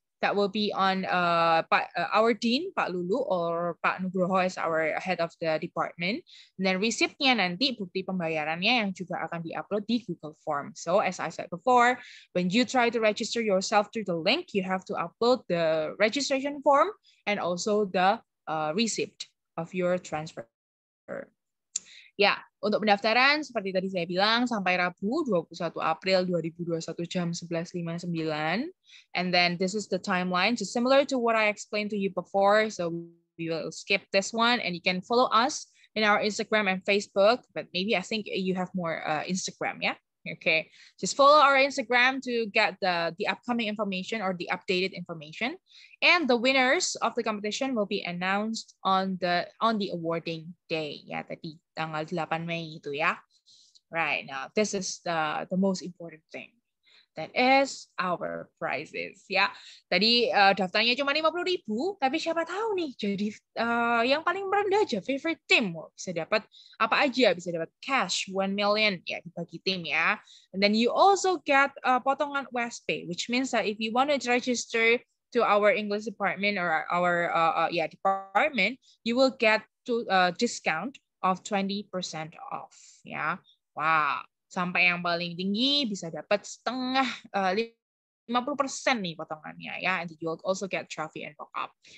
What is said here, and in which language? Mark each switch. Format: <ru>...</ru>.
<en>That will be on our dean, Pak Lulu, or Pak Nugroho is our head of the department.</en> <id>And then receiptnya nanti, bukti pembayarannya yang juga akan di-upload di Google Form.</id> <en>So as I said before, when you try to register yourself through the link, you have to upload the registration form and also the receipt of your transfer.</en> <id>Ya, untuk pendaftaran seperti tadi saya bilang sampai Rabu 21 April 2021 jam 11.59.</id> <en>And then this is the timeline, so similar to what I explained to you before, so we will skip this one and you can follow us in our Instagram and Facebook, but maybe I think you have more Instagram, ya. Yeah? Okay. Just follow our Instagram to get the upcoming information or the updated information, and the winners of the competition will be announced on the awarding day.</en> <id>Yeah, tadi tanggal 8 Mei itu ya.</id> <en>Right. Now, this is the most important thing. That is our prizes. Ya.</en> <id>Tadi daftarnya cuma 50.000, tapi siapa tahu nih jadi yang paling rendah aja favorite team, bisa dapat apa aja, bisa dapat cash 1 million ya dibagi tim ya.</id> <en>And then you also get potongan WSP, which means that if you want to register to our English department or our department, you will get to a discount of 20% off, ya.</en> <id>Wow. Sampai yang paling tinggi bisa dapat setengah 50% nih potongannya ya,</id> <en>and you also get trophy and pop up.</en>